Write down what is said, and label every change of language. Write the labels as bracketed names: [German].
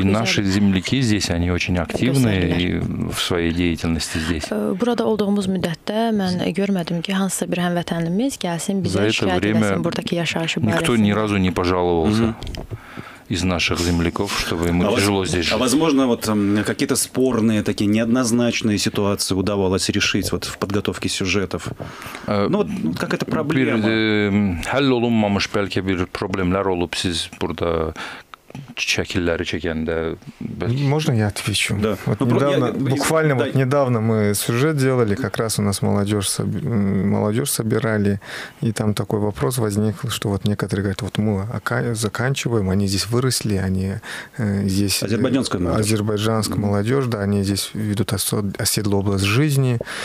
[Azerbaijani] гүзел. [Russian] И наши земляки здесь, они очень активны и в своей деятельности здесь. [Azerbaijani] Burada olduğumuz müddətdə mən görmədim ki, hansısa bir həmvətənimiz gəlsin bizə şikayət etsin burdakı yaşayışı barəsində. [Russian] Никто ни разу не пожаловался. из наших земляков, чтобы ему тяжело здесь жить. А возможно, вот какие-то спорные, такие неоднозначные ситуации удавалось решить вот, в подготовке сюжетов? Ну, вот, вот какая-то проблема. [Azerbaijani] Hall olunmamış belki bir problemler olup siz burada çekilleri çekende... [Russian] Можно я отвечу? Да. Вот недавно, буквально вот недавно мы сюжет делали, как раз у нас молодежь собирали, и там такой вопрос возник, что вот некоторые говорят, вот мы заканчиваем, они здесь выросли, они здесь... Азербайджанская молодежь. Азербайджанская молодежь, да, они здесь ведут оседлый образ жизни.